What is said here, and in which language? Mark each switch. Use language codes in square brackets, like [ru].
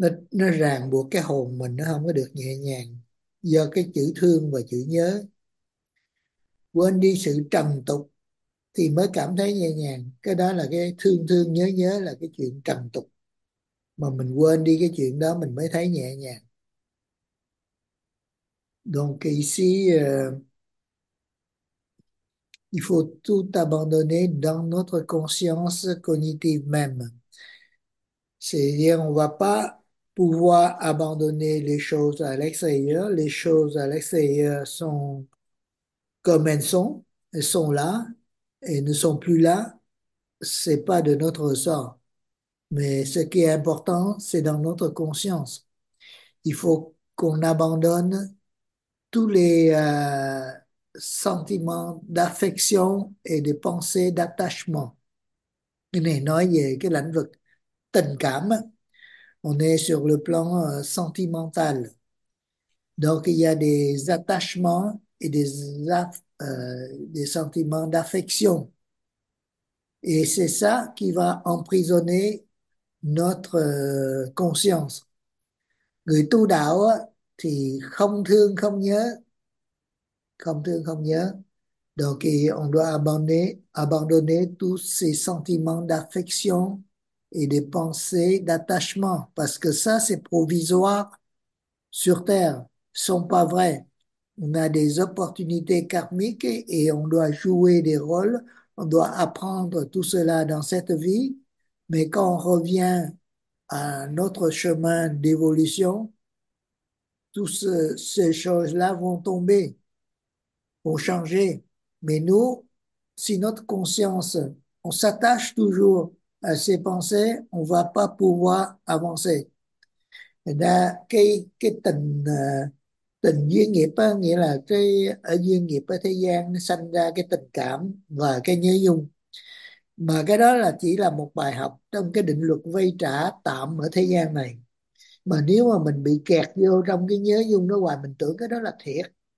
[vi] Nó ràng buộc cái hồn mình, nó không có được nhẹ nhàng do cái chữ thương và chữ nhớ. Quên đi sự trần tục thì mới cảm thấy nhẹ nhàng. Cái đó là cái thương thương nhớ nhớ, là cái chuyện trần tục. Mà mình quên đi cái chuyện đó mình mới thấy nhẹ nhàng. [fr] Donc ici, il faut tout abandonner dans notre conscience cognitive même. C'est-à-dire, on ne va pas pouvoir abandonner les choses à l'extérieur. Les choses à l'extérieur sont comme elles sont. Elles sont là et ne sont plus là. Ce n'est pas de notre ressort. Mais ce qui est important, c'est dans notre conscience. Il faut qu'on abandonne tous les sentiments d'affection et de pensées d'attachement. [vi] Cái này nói về cái lĩnh vực tình cảm. [fr] On est sur le plan sentimental. Donc, il y a des attachements et des sentiments d'affection. Et c'est ça qui va emprisonner notre conscience. [vi] Người tu đạo thì không thương, không nhớ. Không thương, không nhớ. [fr] Donc, on doit abandonner tous ces sentiments d'affection et des pensées d'attachement, parce que ça, c'est provisoire sur Terre, sont pas vrais. On a des opportunités karmiques et on doit jouer des rôles, on doit apprendre tout cela dans cette vie, mais quand on revient à notre chemin d'évolution, toutes ces choses-là vont tomber, vont changer. Mais nous, si notre conscience, on s'attache toujours à ses pensées, on ne va pas pouvoir avancer. Et là, [vi] cái tình tình duyên nghiệp á, nghĩa là cái ở duyên nghiệp ở thế gian nó sanh ra cái tình cảm và cái nhớ nhung. Mà cái đó là chỉ là một bài học trong cái định luật vay trả tạm ở thế gian này. Mà nếu mà mình bị kẹt vô trong cái nhớ nhung đó hoài, mình tưởng cái đó là thiệt.